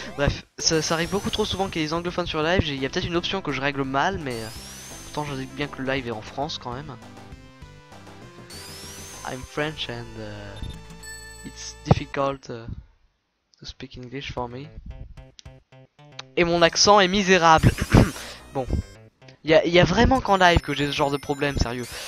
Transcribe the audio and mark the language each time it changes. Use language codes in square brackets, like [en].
[fr] Bref, ça arrive beaucoup trop souvent qu'il y ait des anglophones sur live. Il y a peut-être une option que je règle mal, mais pourtant je dis bien que le live est en France quand même. [en] I'm French and it's difficult to speak English for me. [fr] Et mon accent est misérable. Bon, y a vraiment qu'en live que j'ai ce genre de problème, sérieux.